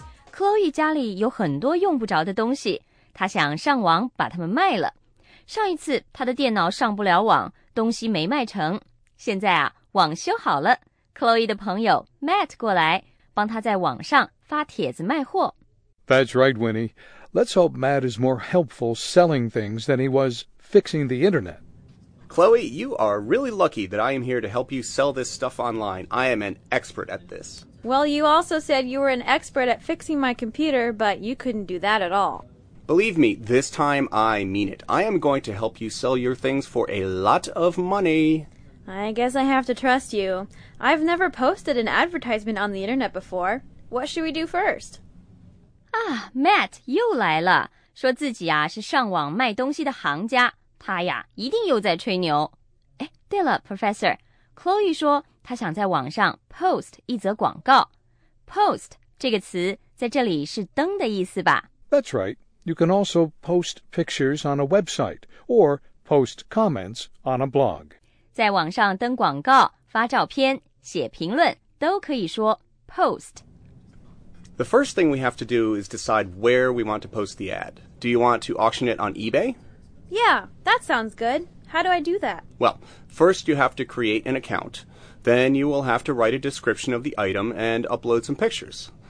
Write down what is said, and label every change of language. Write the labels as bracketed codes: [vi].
[zh] 克洛伊家里有很多用不着的东西，她想上网把它们卖了。上一次她的电脑上不了网，东西没卖成，现在啊网修好了，克洛伊的朋友 Matt 过来帮她在网上发帖子卖货。 [en] That's right, Winnie. Let's hope Matt is more helpful selling things than he was fixing the internet. Chloe, you are really lucky that I am here to help you sell this stuff online. I am an expert at this. Well, you also said you were an expert at fixing my computer, but you couldn't do that at all. Believe me, this time I mean it. I am going to help you sell your things for a lot of money. I guess I have to trust you. I've never posted an advertisement on the internet before. What should we do first? [zh] 啊 ,Matt 又来了，说自己啊是上网卖东西的行家，他呀一定又在吹牛。诶，对了 Professor, Chloe 说他想在网上 post 一则广告。 Post 这个词在这里是登的意思吧 [en] ?That's right, you can also post pictures on a website, or post comments on a blog. [zh] 在网上登广告，发照片，写评论，都可以说 post。 [en] The first thing we have to do is decide where we want to post the ad. Do you want to auction it on eBay? Yeah, that sounds good. How do I do that? Well, first you have to create an account. Then you will have to write a description of the item and upload some pictures.